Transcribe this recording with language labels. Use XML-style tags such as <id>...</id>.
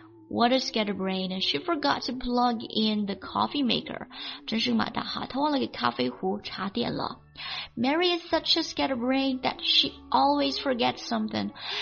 <en>What a scatterbrain, she forgot to plug in the coffee maker.</en> <zh>真是个马达哈，她忘了给咖啡壶插电了。</zh> <en>Mary is such a scatterbrain that she always forgets something.</en>